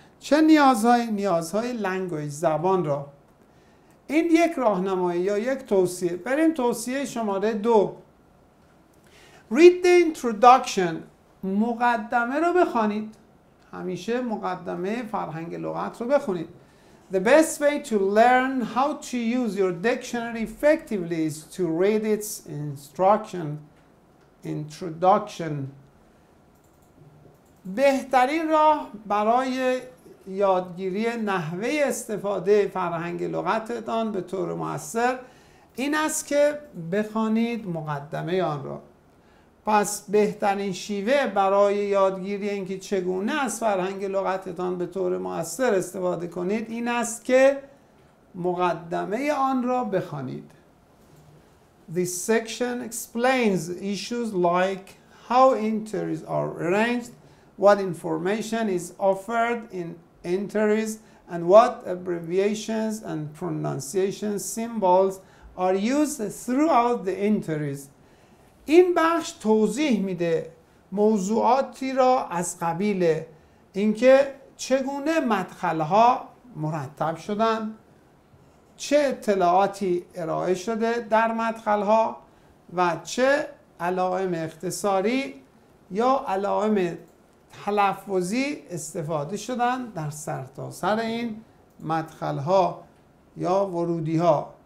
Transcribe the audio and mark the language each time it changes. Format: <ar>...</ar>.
<fa>چه نیازهای؟ نیازهای لنگویج، زبان را. این یک راهنمایی یا یک توصیه. بریم توصیه شماره دو.</fa> <en>Read the introduction.</en> <fa>مقدمه رو بخونید. همیشه مقدمه فرهنگ لغت رو بخونید.</fa> <en>The best way to learn how to use your dictionary effectively is to read its instruction. Introduction.</en> <fa>بهترین راه برای یادگیری نحوه استفاده فرهنگ لغتتان به طور مؤثر این است که بخوانید مقدمه آن را. پس بهترین شیوه برای یادگیری اینکه چگونه از فرهنگ لغتتان به طور مؤثر استفاده کنید این است که مقدمه آن را بخوانید.</fa> <en>This section explains issues like how entries are arranged, what information is offered in entries and what abbreviations and pronunciation symbols are used throughout the entries.</en> <fa>این بخش توضیح میده موضوعاتی را از قبیل اینکه چگونه مدخلها مرتب شدن، چه اطلاعاتی ارائه شده در مدخلها و چه علائم اختصاری یا علائم تلفظی استفاده شدن در سرتاسر این مدخلها یا ورودیها.</fa>